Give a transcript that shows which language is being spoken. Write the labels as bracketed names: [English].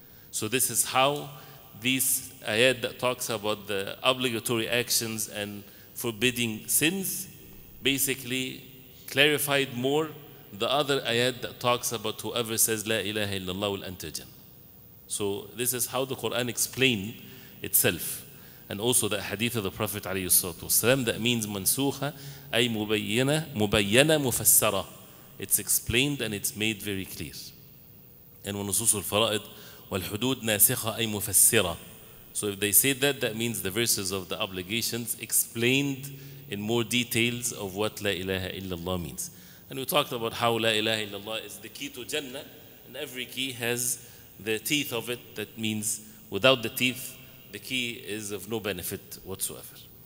[English] So this is how this ayat that talks about the obligatory actions and forbidding sins basically clarified more the other ayat that talks about whoever says La ilaha illallah will enter Jannah. So this is how the Quran explained itself. And also the hadith of the Prophet ﷺ, that means mansukha, ay mubayyana mufassara. It's explained and it's made very clear. [Arabic] And ونصوص الفرائض والحدود ناسخة أي مفسرة. [English] So if they say that, that means the verses of the obligations explained in more details of what لا إله إلا الله means. And we talked about how لا إله إلا الله is the key to Jannah, and every key has the teeth of it. That means without the teeth, the key is of no benefit whatsoever.